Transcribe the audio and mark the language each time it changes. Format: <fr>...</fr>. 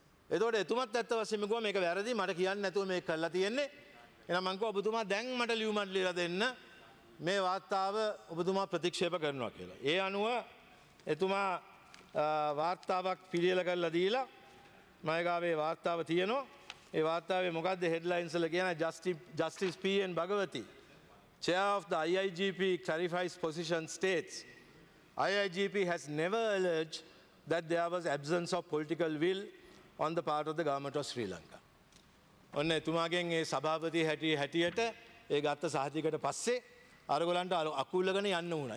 <si>එතකොට එතුමත් ඇත්ත වශයෙන්ම කිව්වා මේක වැරදි, මට කියන්න නැතුව මේක කරලා තියෙන්නේ. එහෙනම් මං කිව්වා ඔබතුමා දැන් මට ලියුමක් ලියලා දෙන්න. මේ වාර්තාව ඔබතුමා ප්‍රතික්ෂේප කරනවා කියලා. ඒ අනුව එතුමා වාර්තාවක් පිළියෙල කරලා දීලා මයගාවේ වාර්තාව තියෙනවා. ඒ වාර්තාවේ මොකද්ද හෙඩ්ලයින්ස් වල කියන justice</si> <en>PN Bhagwati chair of the IIGP clarifies position states IIGP has never alleged that there was absence of political will on the part of the government of Sri Lanka.</en> <si>ඔන්න එතුමාගෙන් ඒ සභාපති හැටියට ඒ ගත්ත සහතිකට පස්සේ අරගලන්ට අකුල්ලගෙන යන්න වුණා.</si>